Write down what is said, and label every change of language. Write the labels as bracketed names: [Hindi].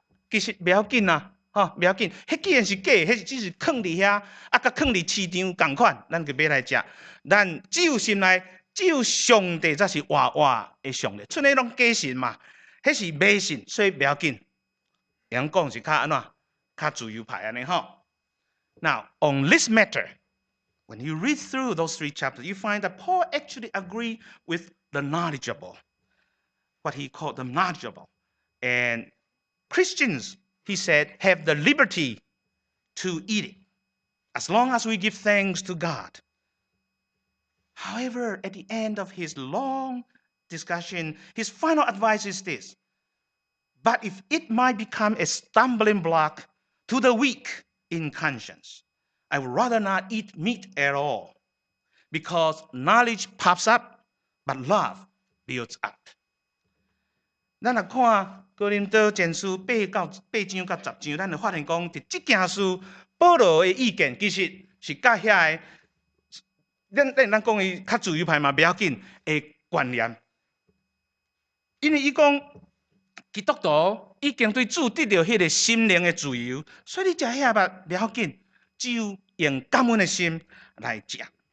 [Min Nan Chinese] 其实不要紧啊，吼，不要紧。迄既然是假，迄只是放伫遐，啊，甲放伫市场同款，咱就买来食。咱只有心内，只有上帝才是活活的上帝，剩下拢假神嘛，迄是迷信，所以不要紧。人讲是较安怎，较自由派安尼吼。 [English] Now on this matter, when you read through those three chapters, you find that Paul actually agree with the knowledgeable, what he called the knowledgeable, and Christians, he said, have the liberty to eat it, as long as we give thanks to God. However, at the end of his long discussion, his final advice is this. But if it might become a stumbling block to the weak in conscience, I would rather not eat meat at all, because knowledge puffs up, but love builds up. [Min Nan Chinese] 咱来看哥林多前书八章到十章，咱就发现讲，伫这件事，保罗的意见其实是甲遐个，咱讲伊较自由派嘛，不要紧的观念，因为伊讲基督徒已经对主得到迄个心灵的自由，所以你食遐物不要紧，只有用感恩的心来食。